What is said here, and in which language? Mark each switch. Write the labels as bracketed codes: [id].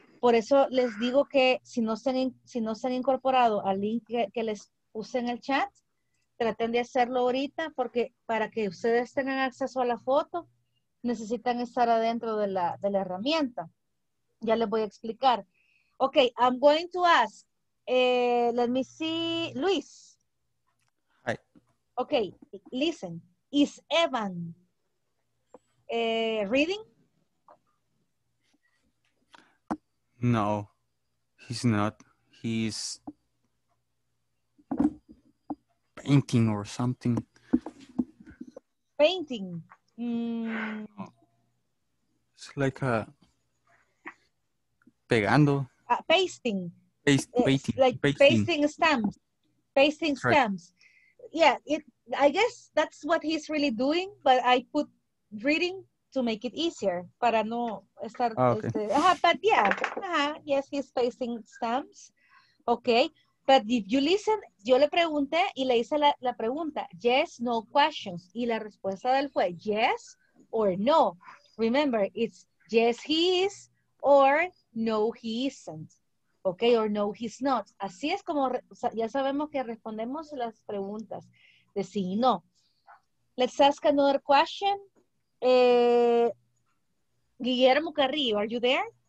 [es] Por eso les digo que si no se han incorporado al link que les puse en el chat, traten de hacerlo ahorita porque para que ustedes tengan acceso a la foto, necesitan estar adentro de la herramienta. Ya les voy a explicar. [en] Okay, I'm going to ask, let me see, Luis. Hi. Okay, listen. Is Evan reading? No, he's not. He's painting or something. Painting. It's like a pegando. Pasting. Pasting. Like pasting stamps. Pasting stamps. Right. Yeah, I guess that's what he's really doing, but I put reading to make it easier. [es] Para no estar. [en] Oh, okay. But yeah, yes, he's pasting stamps. Okay. But if you listen, [es] yo le pregunté y le hice la pregunta, [en] yes, no questions. [es] Y la respuesta de él fue [en] yes or no. Remember, it's yes, he is, or no, he isn't. Okay, or no, he's not. [es] Así es como, ya sabemos que respondemos las preguntas de sí y no. [en] Let's ask another question. Guillermo Carrillo, are you there?